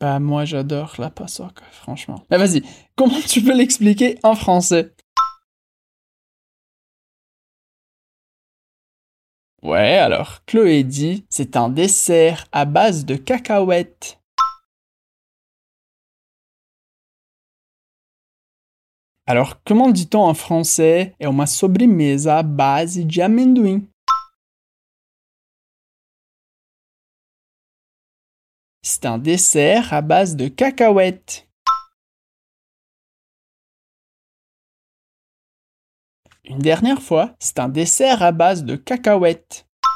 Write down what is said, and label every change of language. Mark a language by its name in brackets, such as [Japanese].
[French] Bah moi j'adore la paçoca, franchement. Bah vas-y, comment tu peux l'expliquer en français ? Ouais, alors, Chloé dit, c'est un dessert à base de cacahuètes. Alors, comment dit-on en français, [Portuguese] é uma sobremesa à base de amendoim? [French] C'est un dessert à base de cacahuètes. Une dernière fois, c'est un dessert à base de cacahuètes.